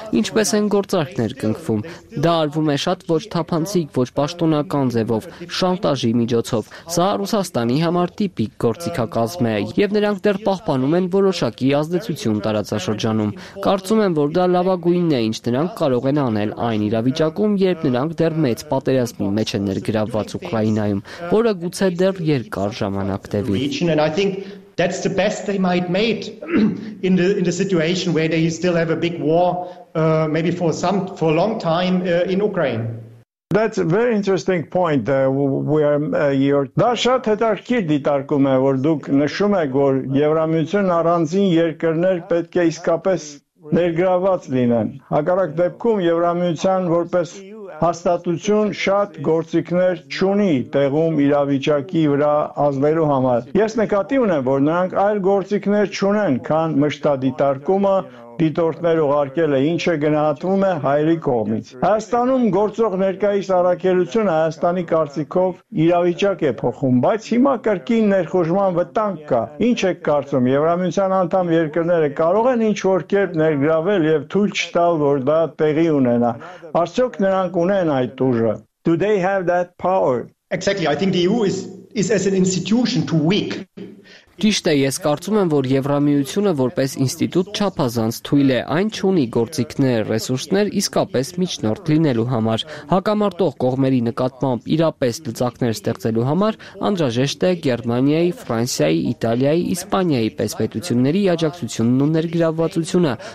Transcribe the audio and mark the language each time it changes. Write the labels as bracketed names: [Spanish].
[Armenian] ինչպես են գործարքներ կնքվում։ Դա արվում է շատ ոչ թափանցիկ, ոչ պաշտոնական ձևով, շանտաժի միջոցով։ Սա Ռուսաստանի համար տիպիկ գործիքակազմ է, եւ նրանք դեռ պահպանում են որոշակի ազդեցություն տարածաշրջանում։ Կարծում եմ, որ դա լավագույնն է, ինչ նրանք կարող են անել այն իրավիճակում, երբ նրանք դեռ մեծ պատերազմի մեջ են ներգրավված Ուկրաինայում, որը գուցե դեռ երկար ժամանակ տևի։ [English] That's the best they might make in the situation where they still have a big war maybe for a long time in Ukraine. That's a very interesting point [Armenian] դա շատ հետաքրքիր դիտարկում է, որ դուք նշում եք, որ Եվրամիությունն առանձին երկրներ պետք է իսկապես ներգրաված լինեն։ Հակառակ դեպքում Եվրամիության որպես հաստատություն շատ գործիքներ չունի տեղում իրավիճակի վրա ազդելու համար։ Ես նկատի ունեմ, որ նրանք այլ գործիքներ չունեն, քան մշտադիտարկումը, դիտորդներ ուղարկելը, ինչ է գնահատվում է հայերի կողմից։ Հայաստանում գործող ներկայիս առաքելությունը Հայաստանի կարծիքով իրավիճակ է փոխում, բայց հիմա կրկին ներխուժման վտանգ կա։ Ինչ եք կարծում, Եվրամիության անդամ երկրները կարող են ինչ-որ կերպ ներգրավել եւ թույլ չտալ, որ դա տեղի ունենա։ Արդյոք նրանք ունեն այդ ուժը։ [English] Do they have that power? Exactly, I think the EU is as an institution too weak. [Armenian] Ճիշտ է, ես կարծում եմ, որ Եվրամիությունը որպես ինստիտուտ չափազանց թույլ է, այն չունի գործիքներ, ռեսուրսներ իսկապես միջնորդ լինելու համար։ Հակամարտող կողմերի նկատմամբ իրապես լծակներ ստեղծելու համար անհրաժեշտ է Գերմանիայի, Ֆրանսիայի, Իտալիայի, Իսպանիայի պես պետությունների աջակցությունն ու ներգրավվածությունը,